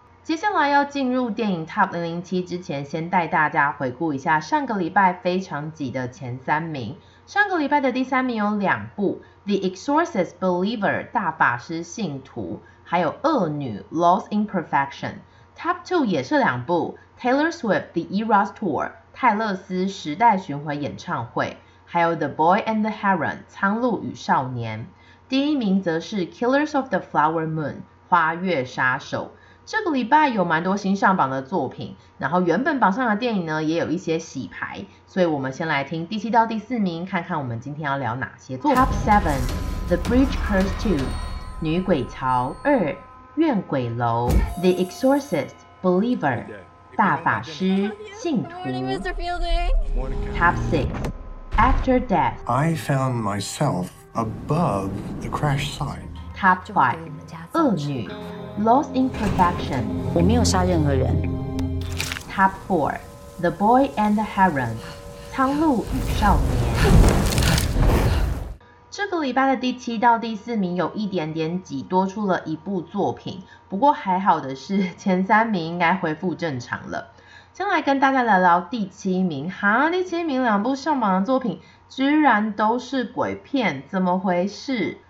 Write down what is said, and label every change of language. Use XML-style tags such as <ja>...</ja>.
<zh>接下来要进入电影 Top 007之前，先带大家回顾一下上个礼拜非常挤的前三名。上个礼拜的第三名有两部， The Exorcist Believer 大法师信徒，还有恶女 Lost in Perfection。 Top 2也是两部， Taylor Swift The Eras Tour 泰勒斯时代巡回演唱会，还有 The Boy and the Heron 苍鹭与少年。第一名则是 Killers of the Flower Moon 花月杀手。这个礼拜有蛮多新上榜的作品，然后原本榜上的电影呢也有一些洗牌，所以我们先来听第七到第四名，看看我们今天要聊哪些作品。 Top 7 The Bridge Curse 2女鬼桥二，怨鬼楼 ，The Exorcist Believer， 大法师信徒。</zh> <en>Top 6 After Death。 I found myself above the crash site。</en> <zh>Top 5恶女 ，Lost in Perfection。我没有杀任何人。 Top 4 The Boy and the Heron， 苍鹭与少年。这个礼拜的第七到第四名有一点点挤，多出了一部作品，不过还好的是前三名应该恢复正常了。先来跟大家聊聊第七名，第七名两部上榜的作品居然都是鬼片，怎么回事？</zh>